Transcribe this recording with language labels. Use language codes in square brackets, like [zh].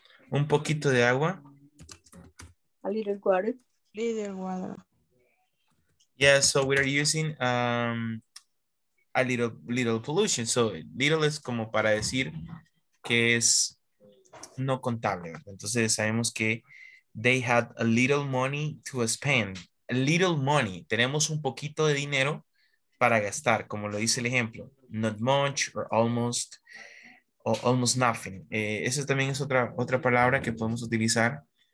[es] Un poquito de agua. [en] A little water. Yeah, so we are using a little pollution. [es] So little is como para decir que es no contable. [en] Entonces sabemos que they had a little money to spend. A little money. [es] Tenemos un poquito de dinero para gastar, como lo dice el ejemplo. [en] Not much or almost. O almost nothing. [es] Esa también es otra palabra que podemos utilizar.